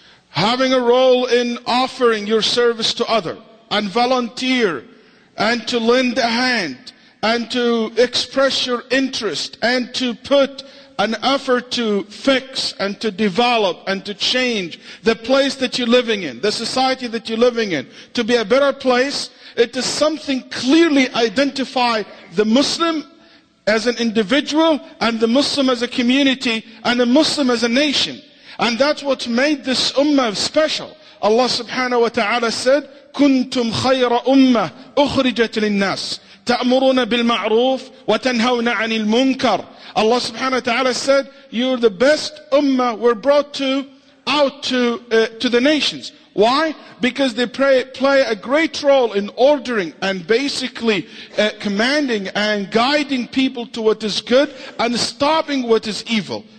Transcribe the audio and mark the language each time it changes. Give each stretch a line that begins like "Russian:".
English: Having a role in offering your service to other and volunteer and to lend a hand and to express your interest and to put an effort to fix and to develop and to change the place that you're living in, the society that you're living in, to be a better place. It is something clearly identify the Muslim as an individual, and the Muslim as a community, and the Muslim as a nation. And that's what made this ummah special.
Arabic: Allah subhanahu wa ta'ala said, كُنْتُمْ خَيْرَ أُمَّةٍ أُخْرِجَتْ لِلنَّاسِ تَأْمُرُونَ بِالْمَعْرُوفِ وَتَنْهَوْنَ عَنِ الْمُنْكَرِ.
English: Allah subhanahu wa ta'ala said, you're the best ummah were brought out to the nations. Why? Because they play a great role in ordering and basically commanding and guiding people to what is good and stopping what is evil.